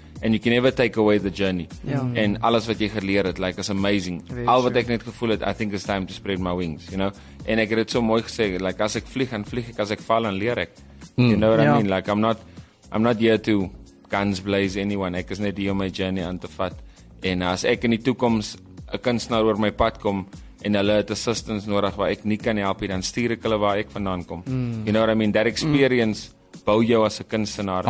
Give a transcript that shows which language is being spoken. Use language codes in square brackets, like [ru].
[en] And you can never take away the journey. Yeah. Mm-hmm. [af] And alles wat jy geleer het, like, is amazing. [en] Very [af] al [en] true. Wat ek net gevoel het, I think it's time to spread my wings, you know. [af] En ek het het so mooi gesê, like, as ek vlieg, en vlieg ek, as ek val, en leer ek. Mm. [en] You know what I mean? Like, I'm not here to guns blaze anyone. [af] Ek is net hier om my journey aan te vat. En as ek in die toekoms, a kunstenaar oor my pad kom, en hulle het assistance nodig, waar ek nie kan help, dan stuur ek hulle waar ek vandaan kom. Mm. [en] You know what I mean? That experience bou jou as a kunstenaar.